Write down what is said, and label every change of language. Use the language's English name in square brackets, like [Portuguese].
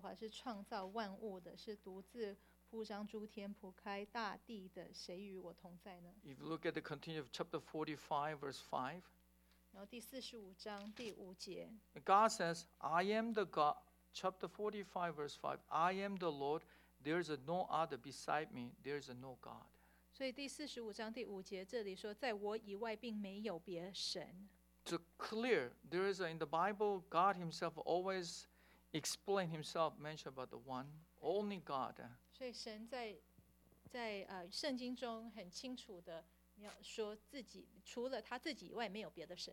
[Chinese] 所以这里在讲说我耶和华是创造万物的，是独自 铺张诸天，铺开大地的，谁与我同在呢？ [English] If you look at the continue of chapter 45, verse 5, [Chinese] 然后第45章第5节, [English] God says, I am the God, chapter 45, verse 5, I am the Lord, there is no other beside me, there is no God. [Chinese] 所以第45章第5节这里说，在我以外并没有别神。 [English] To clear, there is in the Bible, God himself always explain himself, mention about the one, only God. [Chinese] 所以神在圣经中很清楚的说自己除了他自己以外没有别的神。